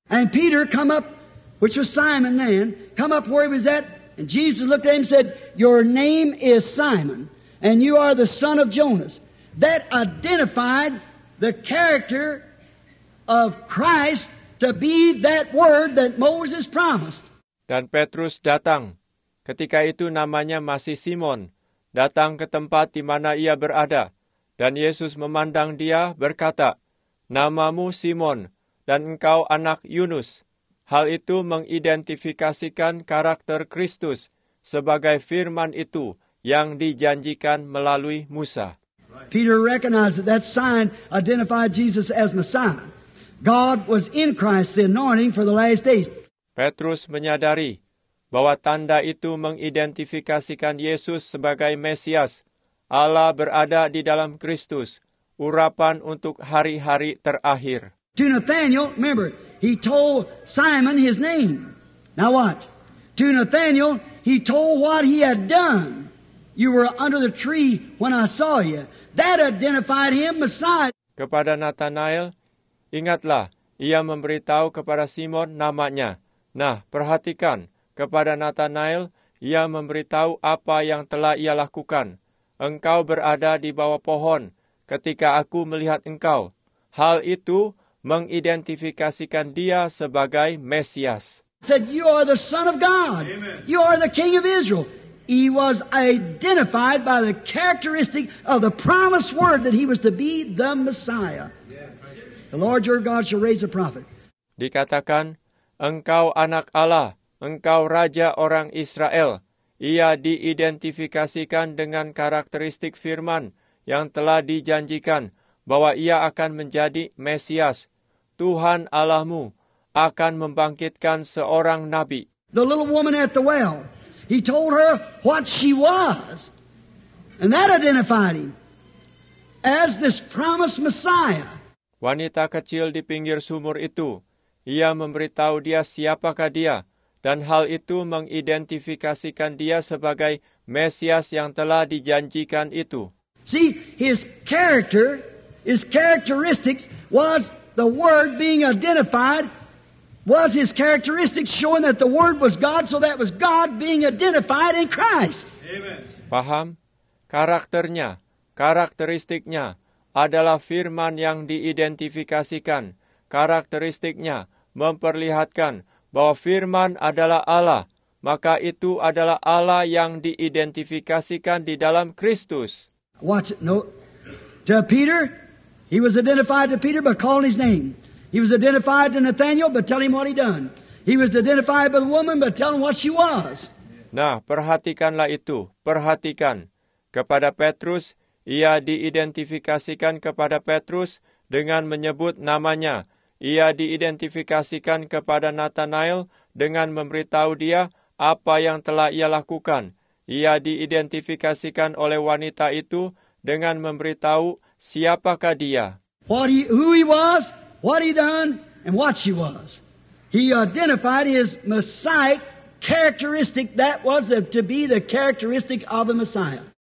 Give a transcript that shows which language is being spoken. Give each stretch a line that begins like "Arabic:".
English: And Peter come up, which was Simon then, come up where he was at, and Jesus looked at him and said, your name is Simon, and you are the son of Jonas. That identified the character of Christ to be that word that Moses promised.
Indonesian: Dan Petrus datang, ketika itu namanya masih Simon, datang ke tempat di mana ia berada, dan Yesus memandang dia berkata, namamu Simon. Dan engkau anak Yunus. Hal itu mengidentifikasikan karakter Kristus sebagai firman itu yang dijanjikan melalui Musa.
English: Peter recognized that that sign identified Jesus as Messiah. God was in Christ, the anointing for the last days.
Indonesian: Petrus menyadari bahwa tanda itu mengidentifikasikan Yesus sebagai Mesias. Allah berada di dalam Kristus, urapan untuk hari-hari terakhir.
English: To Nathanael, remember, he told Simon his name. Now watch. To Nathanael, he told what he had done. You were under the tree when I saw you. That identified him, Messiah.
Indonesian: Kepada Nathanael, ingatlah, ia memberitahu kepada Simon namanya. Nah, perhatikan, kepada Nathanael, ia memberitahu apa yang telah ia lakukan. Engkau berada di bawah pohon ketika aku melihat engkau. Hal itu mengidentifikasikan dia sebagai Mesias.
English: Said you are the son of God. Amen. You are the king of Israel. He was identified by the characteristic of the promised word that he was to be the Messiah. The Lord your God shall raise a prophet.
Indonesian: Dikatakan, engkau anak Allah, engkau raja orang Israel. Ia diidentifikasikan dengan karakteristik firman yang telah dijanjikan bahwa ia akan menjadi Mesias. Tuhan Allahmu akan membangkitkan seorang nabi.
English: The little woman at the well, he told her what she was, and that identified him as this promised Messiah.
Indonesian: Wanita kecil di pinggir sumur itu, ia memberitahu dia siapakah dia, dan hal itu mengidentifikasikan dia sebagai Mesias yang telah dijanjikan itu.
English: See, his character, his characteristics was the word being identified was his characteristics, showing that the word was God, so that was God being identified in Christ. Amen.
Indonesian: Paham? Karakternya, karakteristiknya adalah firman yang diidentifikasikan. Karakteristiknya memperlihatkan bahwa firman adalah Allah, maka itu adalah Allah yang diidentifikasikan di dalam Kristus.
English: Watch it. No. To Peter, he was identified to Peter by calling his name. He was identified to Nathanael by telling him what he done. He was identified by the woman by telling what she was.
Indonesian: Nah, perhatikanlah itu. Perhatikan. Kepada Petrus, ia diidentifikasikan kepada Petrus dengan menyebut namanya. Ia diidentifikasikan kepada Nathanael dengan memberitahu dia apa yang telah ia lakukan. Ia diidentifikasikan oleh wanita itu dengan memberitahu siapakah dia.
English: Who he was, what he done, and what she was. He identified his Messiah characteristic that was to be the characteristic of the Messiah.